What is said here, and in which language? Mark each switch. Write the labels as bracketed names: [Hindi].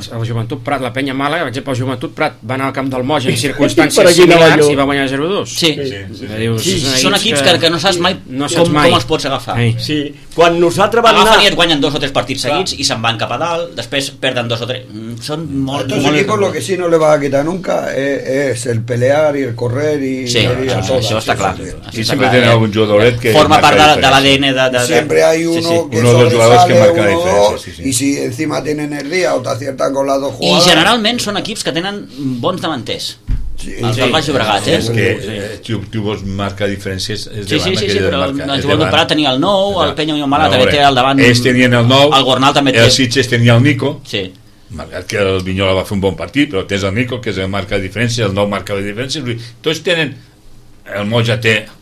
[Catalan] El Joventut Prat, la penya Màlaga, per exemple, el Joventut Prat va anar al camp del Moja en circumstàncies similars i va guanyar 0-2. Sí. Són equips que no saps mai, no saps mai com els pots agafar. Sí. Quan nosaltres van anar... Agafen i et guanyen 2 o 3 partits seguits i se'n van cap a dalt, després perden 2 o 3... Són molt... [Spanish] Estos equipos lo que sí no le va a quitar nunca es el pelear y el correr y... [Catalan] Sí, això està clar. I sempre tenen algun jugadoret que... Forma part de l'ADN de... [Spanish] Sempre hay uno que sobresale, uno o dos, y si encima tienen el día o te aciertan con las dos jugadas... [Catalan] I generalment són equips que tenen bons davanters. Sí. Els Llobregat, és que tu vols marcar diferències. Sí, però el Joan del Prat tenia el 9, el Peña Unió Mala també té al davant. Ells tenien el 9, el Gornal també té. El Sitges tenia el Nico. Sí. Malgrat que el Vinyola va fer un bon partit, però tens el Nico, que és el marca de diferència, el nou marca de diferència, tots tenen, el Moja té...